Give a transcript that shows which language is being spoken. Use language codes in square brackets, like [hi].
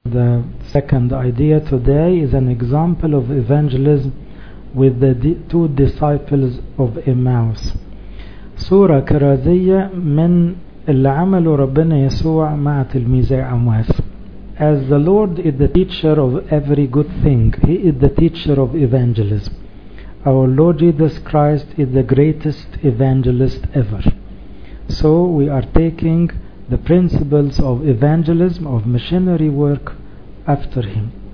[en] The second idea today is an example of evangelism with the two disciples of Emmaus. [ar] صورة كرازية من اللي عمله ربنا يسوع مع تلميذي عمواس. [en] As the Lord is the teacher of every good thing, He is the teacher of evangelism. Our Lord Jesus Christ is the greatest evangelist ever. So we are taking the principles of evangelism, of missionary work, after him.